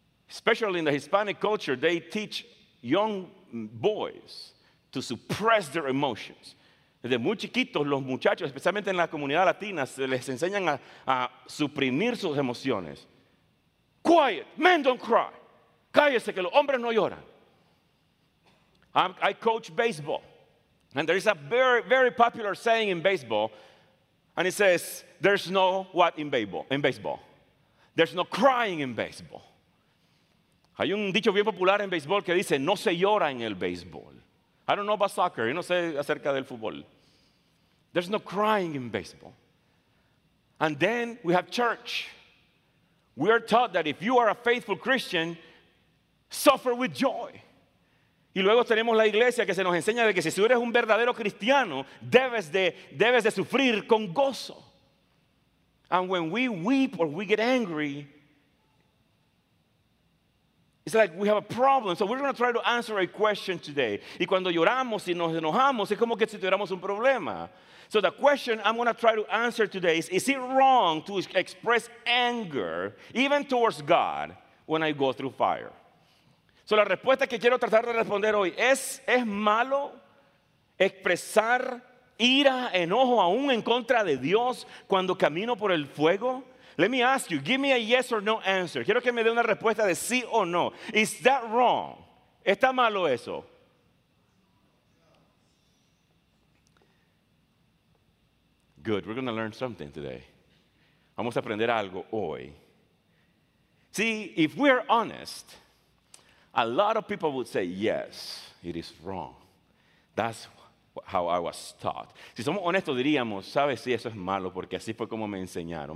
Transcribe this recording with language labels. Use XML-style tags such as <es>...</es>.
<en>Especially in the Hispanic culture, they teach young boys to suppress their emotions.</en> <es>Desde muy chiquitos, los muchachos, especialmente en la comunidad latina, se les enseñan a suprimir sus emociones.</es> <en>Quiet, men don't cry.</en> <es>Cállese, que los hombres no lloran.</es> <en>I coach baseball, and there is a very, very popular saying in baseball, and it says, there's no what in baseball. There's no crying in baseball.</en> <es>Hay un dicho bien popular en béisbol que dice, no se llora en el béisbol.</es> <en>I don't know about soccer,</en> <es>yo no sé acerca del fútbol.</es> <en>There's no crying in baseball. And then we have church. We are taught that if you are a faithful Christian, suffer with joy.</en> <es>Y luego tenemos la iglesia que se nos enseña de que si tú eres un verdadero cristiano, debes de sufrir con gozo.</es> <en>And when we weep or we get angry, it's like we have a problem. So we're going to try to answer a question today.</en> <es>Y cuando lloramos y nos enojamos, es como que si tuviéramos un problema.</es> <en>So the question I'm going to try to answer today is it wrong to express anger, even towards God, when I go through fire?</en> <es>So la respuesta que quiero tratar de responder hoy, ¿es malo expresar ira, enojo, aún en contra de Dios cuando camino por el fuego?</es> <en>Let me ask you, give me a yes or no answer.</en> <es>Quiero que me dé una respuesta de sí o no.</es> <en>Is that wrong?</en> <es>¿Está malo eso?</es> <en>Good, we're going to learn something today.</en> <es>Vamos a aprender algo hoy.</es> <en>See, if we are honest, a lot of people would say, yes, it is wrong. That's how I was taught.</en> <es>Si somos honestos, diríamos, ¿sabes? Sí, eso es malo, porque así fue como me enseñaron.</es>